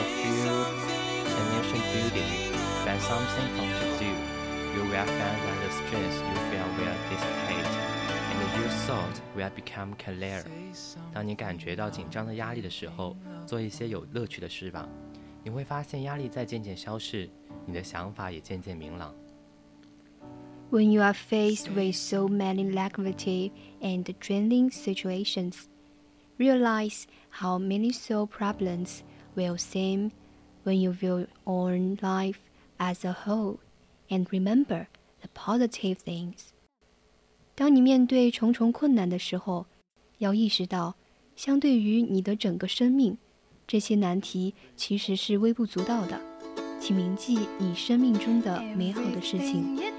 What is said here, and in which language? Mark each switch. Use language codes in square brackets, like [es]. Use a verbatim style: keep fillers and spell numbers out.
[en] Find something fun to do. You will find that the stress you feel will dissipate, and your thoughts will become clear. [zh] 当你感觉到紧张的压力的时候，做一些有乐趣的事吧，你会发现压力在渐渐消逝，你的想法也渐渐明朗。 [en] When you are faced with so many negative and draining situations, realize how many soul problems will seem when you view your life. As a whole, and remember the positive things. [zh] 当你面对重重困难的时候，要意识到，相对于你的整个生命，这些难题其实是微不足道的。请铭记你生命中的美好的事情。